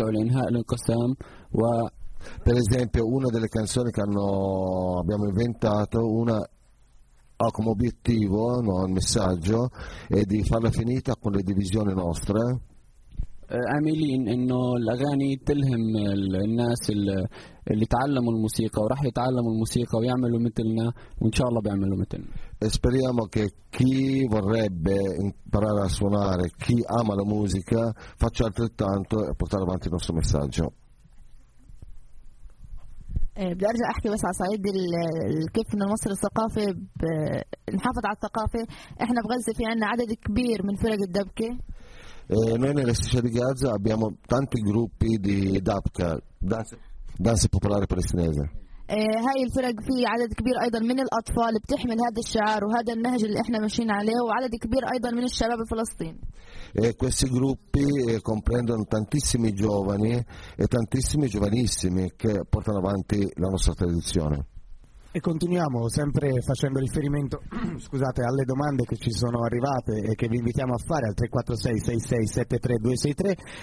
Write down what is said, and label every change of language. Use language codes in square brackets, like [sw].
[it] Per esempio una delle canzoni che abbiamo inventato, una ha come obiettivo, no, un messaggio, è di farla finita con le divisioni nostre. [ar] عاملين انه الاغاني تلهم الناس اللي تعلموا الموسيقى وراح يتعلموا الموسيقى ويعملوا مثلنا وان شاء الله بيعملوا مثلنا. [it] Speriamo che chi vorrebbe imparare a suonare, chi ama la musica, faccia altrettanto e portare avanti il nostro messaggio. [ar] بدي ارجع احكي بس على صعيد كيف بدنا نوصل الثقافه نحافظ على الثقافه. احنا بغزه في عندنا عدد كبير من فرق الدبكه. [it] Noi nella striscia di Gaza abbiamo tanti gruppi di dabka, danza popolare palestinese. [ar] هاي الفرق في عدد كبير ايضا من الاطفال بتحمل هذا الشعار وهذا النهج اللي احنا ماشيين عليه وعدد كبير ايضا من الشباب الفلسطيني. [it] Questi gruppi comprendono tantissimi giovani e tantissimi giovanissimi che portano avanti la nostra tradizione. E continuiamo sempre facendo riferimento alle domande che ci sono arrivate e che vi invitiamo a fare al 346-66-73-263.